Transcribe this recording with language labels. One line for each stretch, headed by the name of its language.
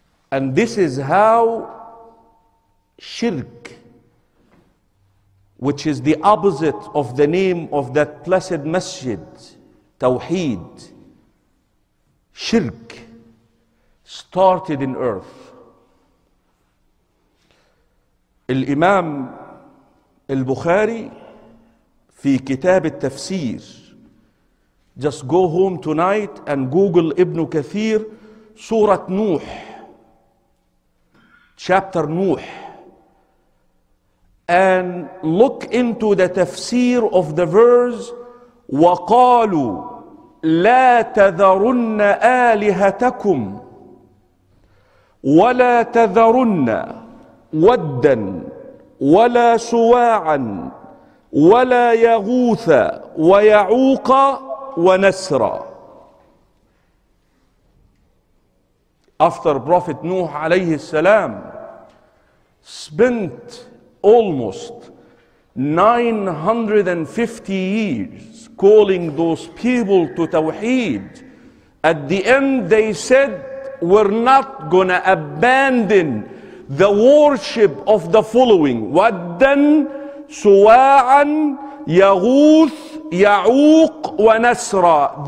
English: And this is how shirk, which is the opposite of the name of that blessed masjid, Tawheed, shirk, started in earth.
Arabic: الإمام البخاري في كتاب التفسير,
English: just go home tonight and Google
Arabic: ابن كثير سورة نوح, chapter نوح,
English: and look into the تفسير of the verse
Arabic: وقالوا لا تذرن آلهتكم ولا تذرن ودا ولا سواعا ولا يغوث ويعوق ونسرا.
English: After Prophet Nuh alayhi salam spent almost 950 years calling those people to Tawheed, at the end they said, we're not gonna abandon the worship of the following: Waddan, Suwa'an, Yaghuth, Ya'uq, wa Nasra.